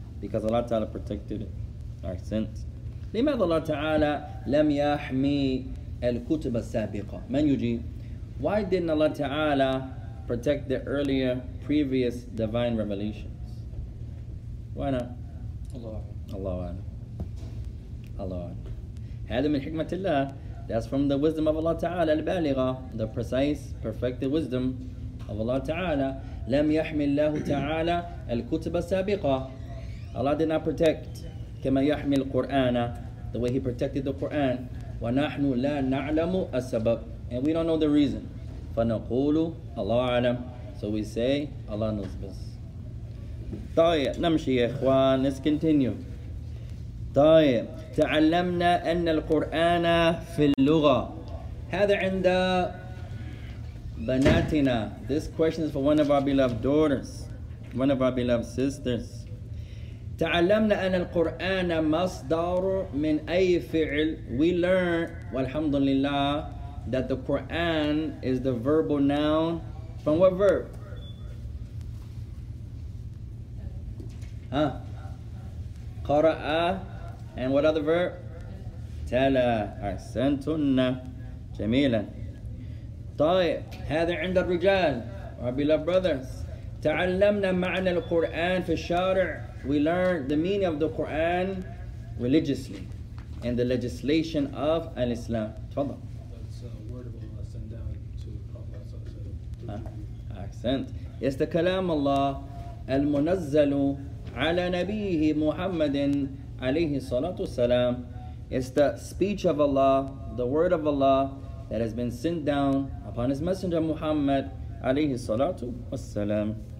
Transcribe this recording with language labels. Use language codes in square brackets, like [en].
[en] Because الله تعالى protected it. Our sins. [ar] لماذا الله تعالى لم يحمي الكتب السابقة؟ من يجيب؟ [en] Why didn't الله تعالى protect the earlier, previous divine revelations? Why not? [ar] الله أعلم. الله أعلم. هذا من حكمة الله. [en] That's from the wisdom of Allah Ta'ala al-Baligha, the precise, perfected wisdom of Allah Ta'ala. [ar] لم يحمي الله تعالى الكتب السابقة. [en] Allah did not protect [ar] كما يحمي القرآن, [en] the way He protected the Quran. [ar] ونحن لا نعلم السبب. [en] And we don't know the reason. [ar] فنقول الله أعلم. [en] So we say Allah knows best. [ar] طيب نمشي يا إخوان. [en] Let's continue. [ar] طيب تعلمنا أن القرآن في اللغة. هذا عند بناتنا. [en] This question is for one of our beloved daughters. one of our beloved sisters. [ar] تعلمنا أن القرآن مصدر من أي فعل. [en] We learned, [ar] والحمد لله, [en] that the Quran is the verbal noun from what verb? قرأ, and what other verb? تلا. [ar] أحسنتن. جميلا. طيب هذا عند الرجال. [en] Our beloved brothers. [ar] تعلمنا معنى القرآن في الشارع. [en] We learn the meaning of the Quran religiously and the legislation of al-Islam. [ar] تفضل. [en] That's a word of Allah sent down to Prophet. Accent. It's the [ar] كلام الله المنزل على نبيه محمد عليه الصلاة والسلام. [en] It's the speech of Allah, the word of Allah that has been sent down upon His Messenger Muhammad [ar] عليه الصلاة والسلام.